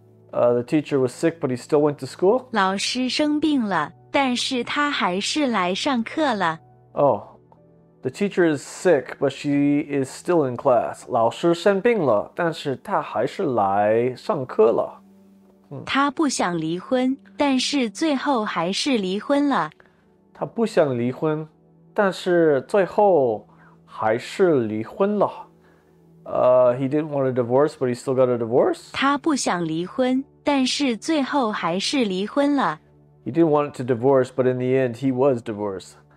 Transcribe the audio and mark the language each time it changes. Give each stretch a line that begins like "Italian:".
English: The teacher was sick, but he still went to school.
Chinese: 老师生病了，但是他还是来上课了。 Oh.
English: The teacher is sick, but she is still in class.
Chinese: 老师生病了，但是她还是来上课了。她不想离婚，但是最后还是离婚了。她不想离婚，但是最后还是离婚了。
English: He didn't want a divorce, but he still got a divorce.
Chinese: 她不想离婚，但是最后还是离婚了。
English: He didn't want to divorce, but in the end, he was divorced.